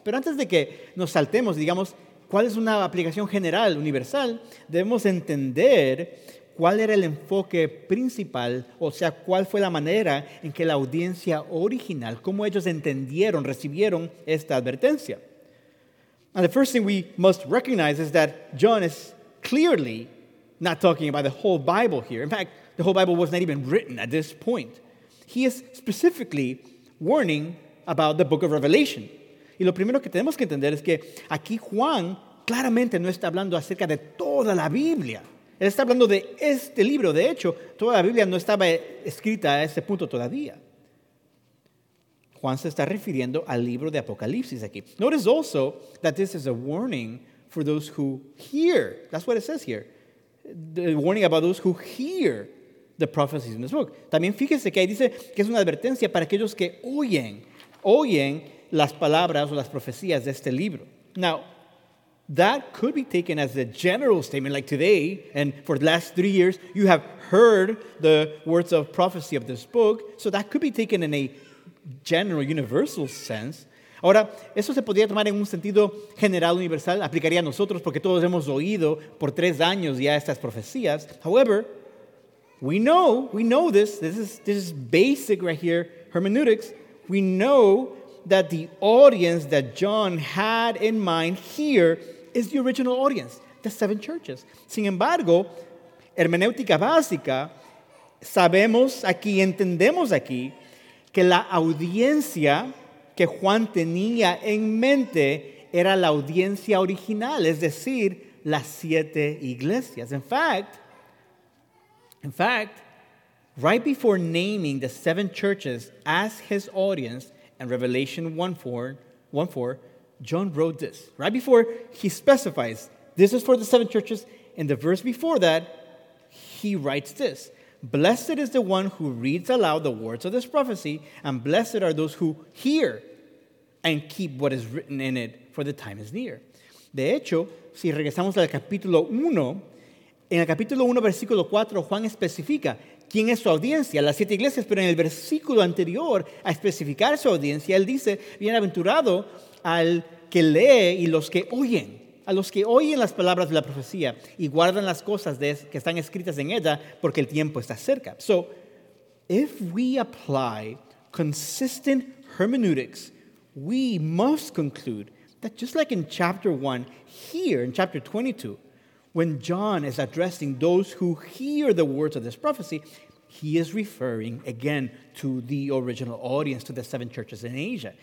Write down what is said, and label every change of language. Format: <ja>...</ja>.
<es>Pero antes de que nos saltemos, digamos, ¿cuál es una aplicación general, universal? Debemos entender cuál era el enfoque principal, o sea, cuál fue la manera en que la audiencia original, cómo ellos entendieron, recibieron esta advertencia.</es> <en>And the first thing we must recognize is that John is clearly not talking about the whole Bible here. In fact, the whole Bible was not even written at this point. He is specifically warning about the book of Revelation.</en> <es>Y lo primero que tenemos que entender es que aquí Juan claramente no está hablando acerca de toda la Biblia. Él está hablando de este libro. De hecho, toda la Biblia no estaba escrita a ese punto todavía. Juan se está refiriendo al libro de Apocalipsis aquí.</es> <en>Notice also that this is a warning for those who hear. That's what it says here. The warning about those who hear the prophecies in this book.</en> <es>También fíjese que ahí dice que es una advertencia para aquellos que oyen las palabras o las profecías de este libro.</es> <en>Now, that could be taken as a general statement, like today, and for the last 3 years, you have heard the words of prophecy of this book, so that could be taken in a general, universal sense.</en> <es>Ahora, eso se podría tomar en un sentido general, universal, aplicaría a nosotros, porque todos hemos oído por 3 años ya estas profecías.</es> <en>However, we know this. This is basic right here, hermeneutics. We know that the audience that John had in mind here is the original audience, the 7 churches.</en> <es>Sin embargo, hermenéutica básica, sabemos aquí, entendemos aquí, que la audiencia que Juan tenía en mente era la audiencia original, es decir, las 7 iglesias.</es> <en>In fact, right before naming the 7 churches as his audience, in Revelation 1:4, John wrote this. Right before he specifies, this is for the 7 churches, in the verse before that, he writes this. Blessed is the one who reads aloud the words of this prophecy, and blessed are those who hear and keep what is written in it, for the time is near.</en> <es>De hecho, si regresamos al capítulo 1, en el capítulo 1, versículo 4, Juan especifica ¿quién es su audiencia? Las 7 iglesias, pero en el versículo anterior a especificar su audiencia, él dice, bienaventurado al que lee y los que oyen, a los que oyen las palabras de la profecía y guardan las cosas que están escritas en ella porque el tiempo está cerca.</es> <en>So, if we apply consistent hermeneutics, we must conclude that just like in chapter 1 here, in chapter 22, when John is addressing those who hear the words of this prophecy, he is referring again to the original audience, to the 7 churches in Asia.</en>